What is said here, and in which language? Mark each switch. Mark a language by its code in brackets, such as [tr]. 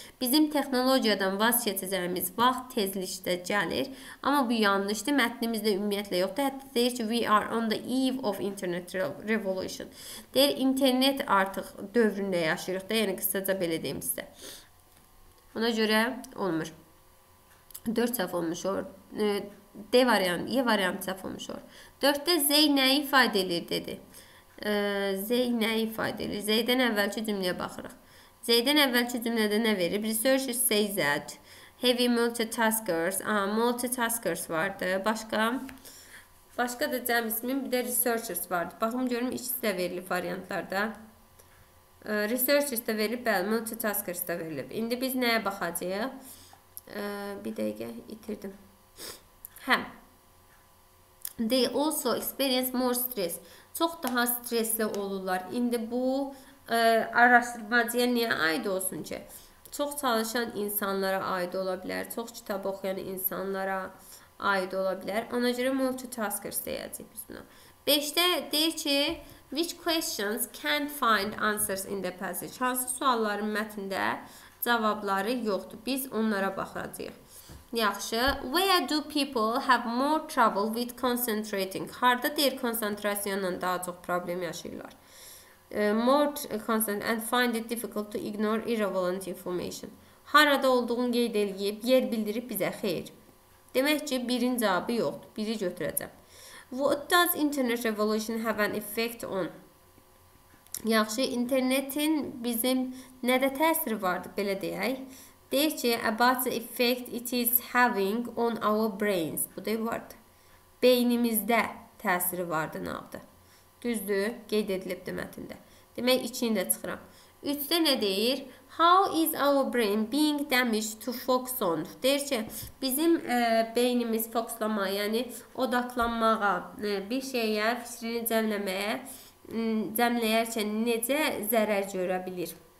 [az] Bizim texnologiyadan vaz keçəcəyimiz vaxt tezlikdə gəlir. Amma bu yanlışdır. Mətnimizdə ümumiyyətlə yoxdur. Hətta deyir ki, [en] we are on the eve of internet revolution. [az] Deyir, internet artıq dövründə yaşayırıq da. Yəni, qısaca belə deyim sizə. Ona görə olmur. 4 səhv olmuş. D variant, E variant cevap olmuş olur. 4'te Z ne ifade edir dedi. Z ne ifade edir? Z'den evvelki cümleye bakırıq. Z'den evvelki cümlede ne verir? [en] Research is say that heavy multitaskers. [az] Aa, multitaskers vardı. Başka da cəm ismin bir de researchers vardı. Baxım görüm ikisi de verilir variantlarda. Researchers da verilir, bəli, multitaskers da verilir. İndi biz nəyə baxacağıq? Bir dəqiqə itirdim. Həm. [en] They also experience more stress. [az] Çox daha stresli olurlar. İndi bu araşdırmacıya niyə aid olsun ki? Çox çalışan insanlara aid ola bilər. Çox kitab oxuyan insanlara aid ola bilər. Ona görə multitaskers deyəcəyik biz buna. 5-də deyir ki, [en] which questions can't find answers in the passage? [az] Hansı sualların mətnində cavabları yoxdur? Biz onlara baxacağıq. Yaxşı. [en] Where do people have more trouble with concentrating? [az] Harda deyir konsentrasiyonla daha çox problem yaşayırlar? [en] More concentrated and find it difficult to ignore irrelevant information. [az] Harada olduğunu qeyd eləyib, yer bildirib bizə xeyir. Demək ki, birin cavabı yoxdur. Biri götürəcəm. What does internet revolution have an effect on? Yaxşı, internetin bizim nədə təsiri vardır, belə deyək. Deyir ki, [en] about the effect it is having on our brains. [az] Bu da vardır. Beynimizdə təsiri vardır, nə vardır? Düzdür, qeyd edilibdir mətində. Demək, içini də çıxıram. Üçdə nə deyir? [en] How is our brain being damaged to focus on? [az] Deyir ki, bizim beynimiz fokuslamağa, yəni odaklanmağa, bir şeyə, fikrini cəmləməyə, cəmləyərkən necə zərər görə bilir?